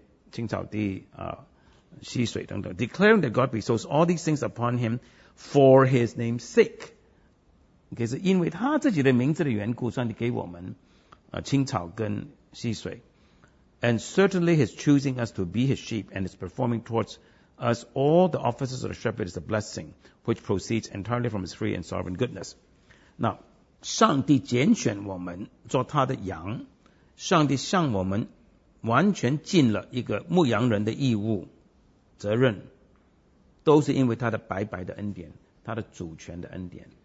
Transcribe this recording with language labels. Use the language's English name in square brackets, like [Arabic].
[Chinese] 我们没有功劳可取的。所以这些都是因为上帝的恩典或者是爱或者良善，所以上帝给我们这些青草地、溪水等等。 [English] Declaring that God bestows all these things upon him for his name's sake. [Chinese] 是因为他自己的名字的缘故，上帝给我们青草跟溪水。 [English] And certainly his choosing us to be his sheep and his performing towards us all the offices of the shepherd is a blessing which proceeds entirely from his free and sovereign goodness. [Chinese] Now, 上帝拣选我们做他的羊，上帝向我们完全尽了一个牧羊人的义务、责任，都是因为他的白白的恩典，他的主权的恩典。